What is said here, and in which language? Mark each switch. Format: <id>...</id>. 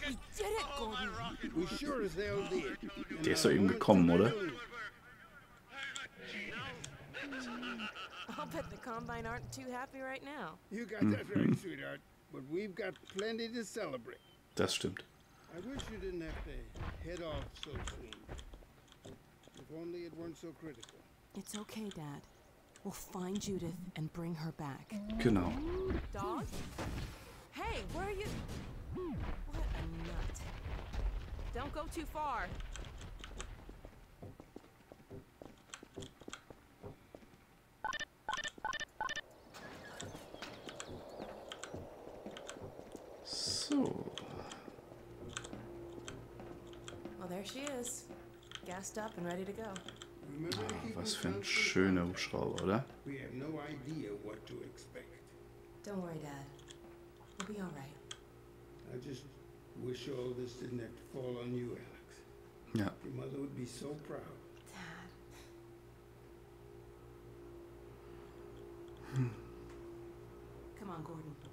<de>Wow. Der ist doch eben gekommen, oder?</de> <en>I'll bet the Combine aren't too happy right now. You got that right, sweetheart. But we've got plenty to celebrate.</en> <de>Das stimmt.</de> <en>I wish you didn't have to head off so soon. If only it weren't so critical. It's okay, Dad. We'll find Judith and bring her back.</en> <de>Genau.</de> <en>Dog? Hey, where are you? What a nut. Don't go too far. Well, there she is, gassed up and ready to go.</en> <de>Oh, was für ein schöner Hubschrauber, oder?</de> <en>We have no idea what to expect. Don't worry, Dad. We'll be all right. I just wish all this didn't have to fall on you, Alex. Yeah. Your mother would be so proud. Dad. Come on, Gordon.</en>